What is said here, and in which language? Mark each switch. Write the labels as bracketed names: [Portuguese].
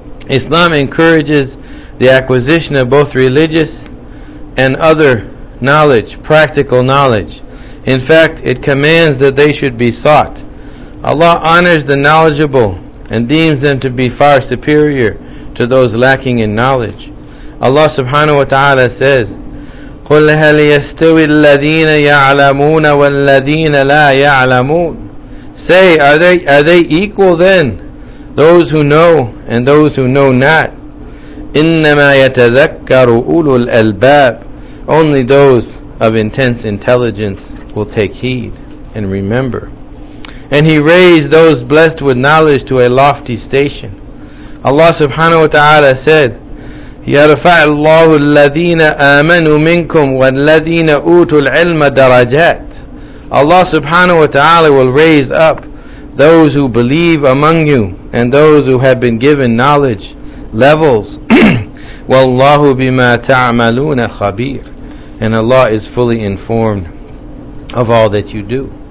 [English] Islam encourages the acquisition of both religious and other knowledge, practical knowledge. In fact, it commands that they should be sought. Allah honors the knowledgeable and deems them to be far superior to those lacking in knowledge. Allah subhanahu wa ta'ala says, [Arabic] قُلْ هَلْ يَسْتَوِي الَّذِينَ يَعْلَمُونَ وَالَّذِينَ لَا يَعْلَمُونَ. [English] Say, are they equal then, those who know and those who know not? [Arabic] إِنَّمَا يَتَذَكَّرُ أُولُو الْأَلْبَابِ. [English] Only those of intense intelligence will take heed and remember. And he raised those blessed with knowledge to a lofty station. Allah subhanahu wa ta'ala said, [Arabic] يَرْفَعِ اللَّهُ الَّذِينَ آمَنُوا مِنْكُمْ وَالَّذِينَ أُوتُوا الْعِلْمَ دَرَجَاتٍ. [English] Allah subhanahu wa ta'ala will raise up those who believe among you and those who have been given knowledge levels. [Arabic] وَاللَّهُ بِمَا تَعْمَلُونَ خَبِيرٌ. [English] And Allah is fully informed of all that you do.